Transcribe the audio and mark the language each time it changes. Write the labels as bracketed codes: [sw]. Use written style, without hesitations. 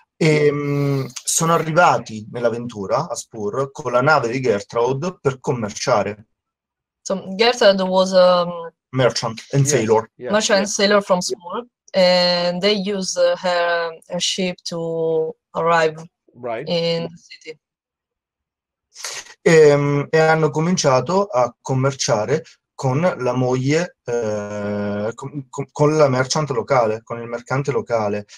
[it] E sono arrivati nell'avventura a Spur con la nave di Gertrude per commerciare. [en] So Gertrude was a merchant and sailor. Yes. Yes. Merchant and sailor from Spur, and they used her ship to arrive right. in the city. [it] E hanno cominciato a commerciare con la moglie, con la merchant locale, con il mercante locale.